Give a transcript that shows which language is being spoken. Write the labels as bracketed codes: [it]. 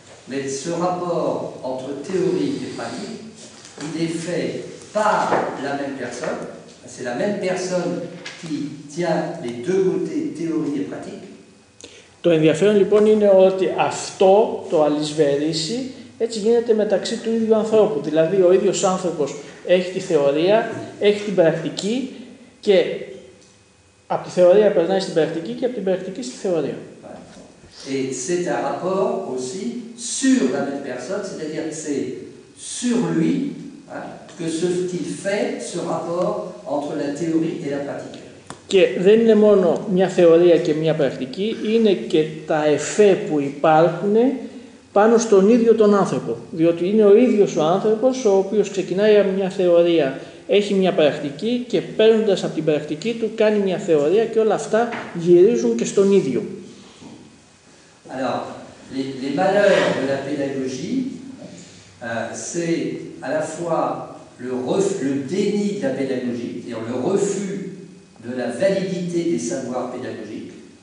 [fr] Mais ce rapport entre théorie et pratique, il est fait par la même personne. C'est la même personne qui tient les deux côtés théorie et pratique. [el] Το ενδιαφέρον λοιπόν είναι ότι αυτό το αλυσβερίσει έτσι γίνεται μεταξύ του ίδιου ανθρώπου. Δηλαδή ο ίδιος άνθρωπος έχει τη θεωρία, έχει την πρακτική και από τη θεωρία περνάει στην πρακτική και από την πρακτική στη θεωρία. [fr] Et c'est un rapport aussi sur la même personne, c'est-à-dire que c'est sur lui que ce qu'il fait ce rapport entre la théorie et la pratique. [el] Και δεν είναι μόνο μια θεωρία και μια πρακτική, είναι και τα εφέ που υπάρχουν πάνω στον ίδιο τον άνθρωπο. Διότι είναι ο ίδιος ο άνθρωπος ο οποίος ξεκινάει από μια θεωρία, έχει μια πρακτική και παίρνοντας από την πρακτική του κάνει μια θεωρία και όλα αυτά γυρίζουν και στον ίδιο. [fr] Alors, les malheurs de la pédagogie, c'est à la fois le déni de la pédagogie, c'est-à-dire le refus de la validité des savoirs pédagogiques.